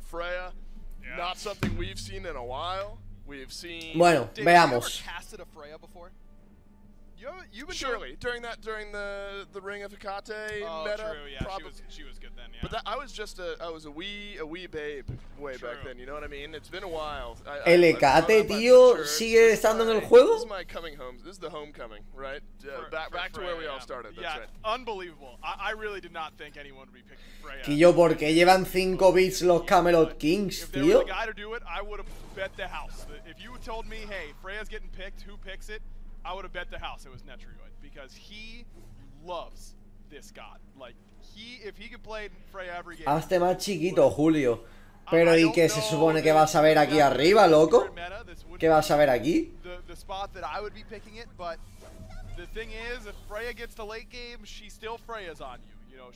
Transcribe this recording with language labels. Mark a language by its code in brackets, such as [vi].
[en] Freya, not something we've seen in a while. We've seen. [es] Bueno, veamos. [en] Have you ever casted a Freya before? You've been surely during the Ring of Hecate meta. Oh, true. Yeah, she was good then. Yeah. But I was just a wee babe way true. Back then. You know what I mean? It's been a while. [es] El Hecate, tío, sigue estando en el juego. [en] This is my coming home. This is the homecoming, right? Back Freya, to where we all started. That's right. Unbelievable. I really did not think anyone would be picking Freya. [es] Quillo, ¿por qué llevan 5 beats los Camelot Kings, [en] if [es] tío? [en] If there was a guy to do it, I would have bet the house. If you told me, hey, Freya's getting picked, who picks it? I would have bet the house it was Netroid, because he loves this god. Like, if he could play Freya every game. [es] Hazte más chiquito, Julio. Pero ¿y qué se supone que vas a ver aquí arriba, loco? ¿Qué vas a ver aquí? [en] The spot that I would be picking it, but the thing is, if Freya gets to late game, she's still Freya's on you.